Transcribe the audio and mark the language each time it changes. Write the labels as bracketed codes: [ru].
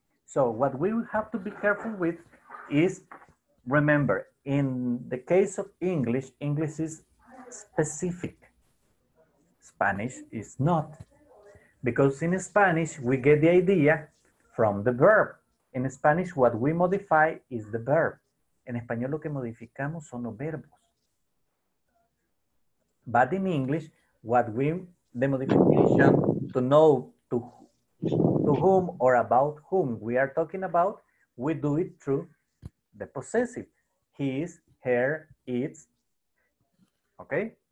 [en] So what we have to be careful with is, remember, in the case of English, English is specific. Spanish is not. Because in Spanish, we get the idea from the verb. In Spanish, what we modify is the verb. [es] En español, lo que modificamos son los verbos. [en] But in English, what we, the modification to know to whom or about whom we are talking about, we do it through the possessive. His, her, its, okay?